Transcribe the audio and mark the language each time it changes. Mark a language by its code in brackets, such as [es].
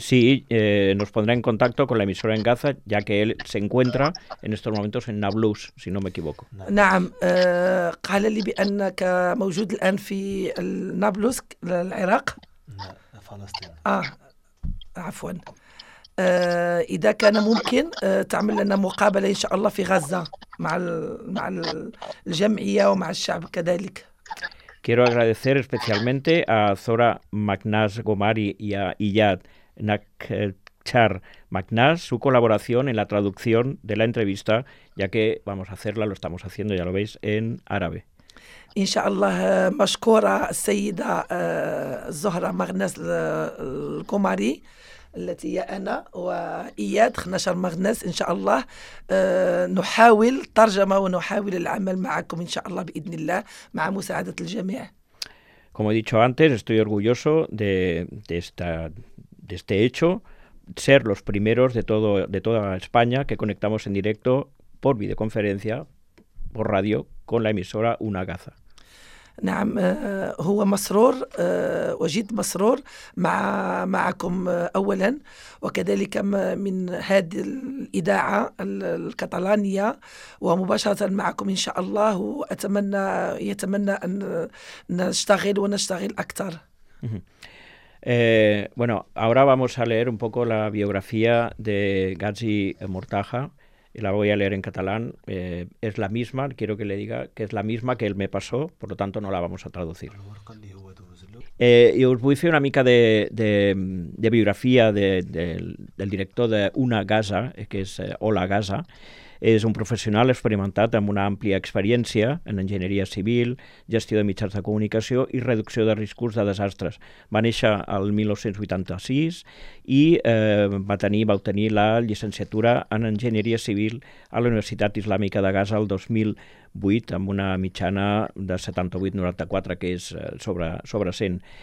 [es] Sí, nos pondrá en contacto con la emisora en Gaza, ya que él se encuentra en estos momentos en Nablus, si no me equivoco. [ar] نعم, قال لي بأنك موجود الآن في نابلس, العراق. فلسطين. عفوا. إذا كان ممكن تعمل لنا مقابلة إن شاء الله في غزة مع الجمعية ومع الشعب كذلك. [es] Quiero agradecer especialmente a Zora Magnaz Gomari y a Iyad Nakchar Magnaz su colaboración en la traducción de la entrevista, ya que vamos a hacerla, lo estamos haciendo, ya lo veis, en árabe. [ar] إن شاء الله مشكورة السيدة زهرة مغناز الكوماري التي هي أنا وإياد خنشر مغناز إن شاء الله نحاول ترجمة ونحاول العمل معكم إن شاء الله بإذن الله مع مساعدة الجميع. [es] Como he dicho antes, estoy orgulloso de este hecho, ser los primeros de toda España que conectamos en directo por videoconferencia, por radio, con la emisora Una Gaza. [ar] نعم هو مسرور وجد مسرور معكم أولا وكذلك من هذه الإذاعة الكتالانية ومباشرة معكم إن شاء الله وأتمنى يتمنى أن نشتغل أكثر. [es] Bueno, ahora vamos a leer un poco la biografía de Ghazi Murtaha. La voy a leer en catalán. Es la misma, quiero que le diga, que es la misma que él me pasó, por lo tanto no la vamos a traducir. Y os voy a hacer [ca] una mica de [es] biografía del director de Una Gaza, que es Hola Gaza. [ca] És un professional experimentat amb una àmplia experiència en enginyeria civil, gestió de mitjans de comunicació i reducció de riscos de desastres. Va néixer el 1986 i va obtenir la llicenciatura en enginyeria civil a la Universitat Islàmica de Gaza el 2008 amb una mitjana de 78-94, que és sobre 100.